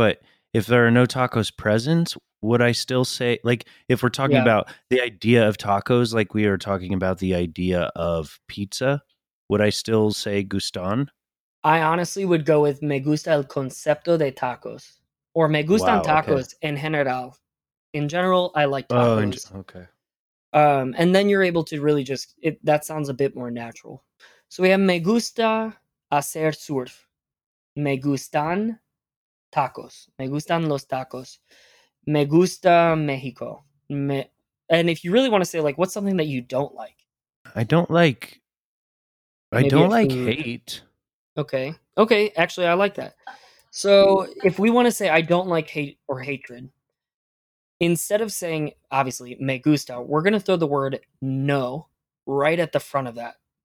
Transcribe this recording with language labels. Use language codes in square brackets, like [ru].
[en] But if there are no tacos present, would I still say, like, if we're talking about the idea of tacos, like we are talking about the idea of pizza, would I still say gustan? I honestly would go with [es] me gusta el concepto de tacos or me gustan tacos en general. [en] In general, I like tacos. And then you're able to really just, that sounds a bit more natural. So we have [es] me gusta hacer surf. Me gustan tacos. Me gustan los tacos. me gusta Mexico. [en] And if you really want to say, like, what's something that you don't like? I don't like hate. Okay. Actually, I like that. So if we want to say I don't like hate or hatred, instead of saying, obviously, me gusta, we're going to throw the word no right at the front of that.